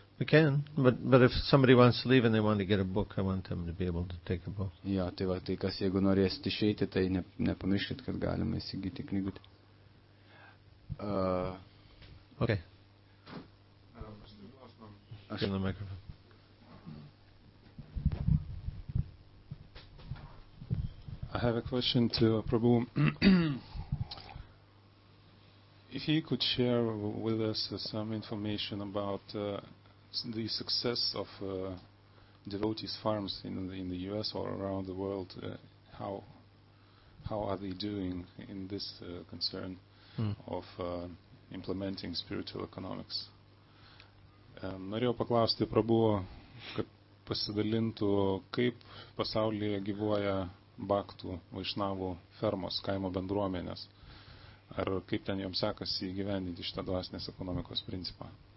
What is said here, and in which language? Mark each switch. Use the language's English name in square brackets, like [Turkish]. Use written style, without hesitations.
[English] We can, but if somebody wants to leave and they want to get a book, I want them to be able to take a book. [Lithuanian] Jo, tai va, tai kas, jeigu norėsit išeiti, tai nepamirškit, kad galima įsigyti knygų. [English] Okay. I have a question to Prabhu. If he could share with us some information about the success of devotees farms in the US or around the world, how are they doing in this concern of implementing spiritual economics? [Lithuanian] Norėjau paklausti Prabhu, kad pasidalintų, kaip pasaulyje gyvuoja baktų vaišnavų fermos, kaimo bendruomenės. Ar kaip ten joms sekasi įgyvendinti šitą dvasinės ekonomikos principą?